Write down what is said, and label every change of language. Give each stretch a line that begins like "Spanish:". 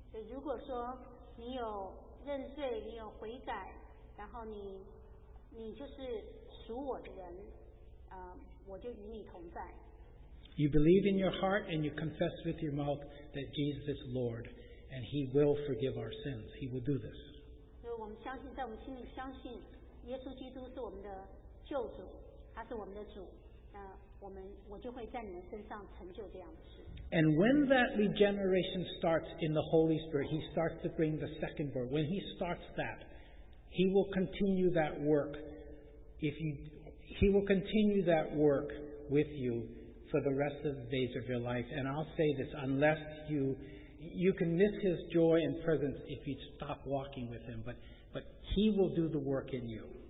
Chinese: 如果说你有认罪，你有悔改，然后你就是属我的人，我就与你同在。
English: You believe in your heart and you confess with your mouth that Jesus is Lord, and He will forgive our sins. He will do this.
Chinese: 所以我们相信，在我们心里相信耶稣基督是我们的 救主，他是我们的主，那我们就会在你们身上成就这样的事。
English: And when that regeneration starts in the Holy Spirit, He starts to bring the second birth. When He starts that, He will continue that work. He will continue that work with you for the rest of the days of your life. And I'll say this: unless you can miss His joy and presence if you stop walking with Him, but He will do the work in you.